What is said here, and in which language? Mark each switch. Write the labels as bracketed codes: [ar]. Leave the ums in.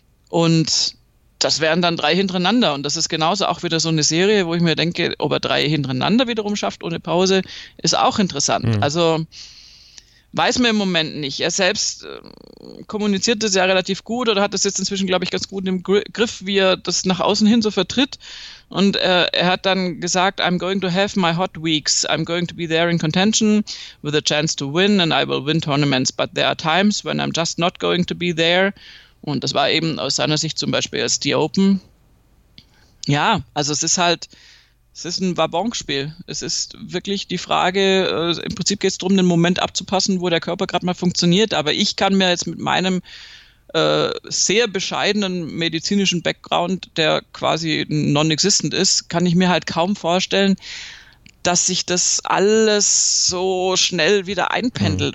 [de] Und das wären dann drei hintereinander. Und das ist genauso auch wieder so eine Serie, wo ich mir denke, ob er drei hintereinander wiederum schafft ohne Pause, ist auch interessant. Also weiß man im Moment nicht. Er selbst äh, kommuniziert das ja relativ gut oder hat das jetzt inzwischen, glaube ich, ganz gut im Gri- Griff, wie er das nach außen hin so vertritt. Und äh, er hat dann gesagt, [en] I'm going to have my hot weeks. I'm going to be there in contention with a chance to win and I will win tournaments. But there are times when I'm just not going to be there. [de] Und das war eben aus seiner Sicht zum Beispiel jetzt die Open. Ja, also es ist halt, es ist ein Wabonspiel. Es ist wirklich die Frage, äh, im Prinzip geht es darum, den Moment abzupassen, wo der Körper gerade mal funktioniert. Aber ich kann mir jetzt mit meinem äh, sehr bescheidenen medizinischen Background, der quasi non-existent ist, kann ich mir halt kaum vorstellen, dass sich das alles so schnell wieder einpendelt.